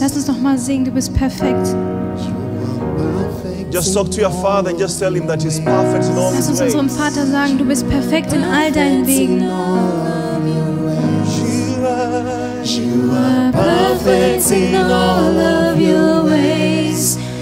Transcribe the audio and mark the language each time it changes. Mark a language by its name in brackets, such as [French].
[German] Lass uns noch mal singen. Du bist perfekt. [English] Just talk to your father and just tell him that he's perfect in all his ways. [German] Lass uns unserem Vater sagen, du bist perfekt in all deinen Wegen. [English] You are perfect in all of your ways.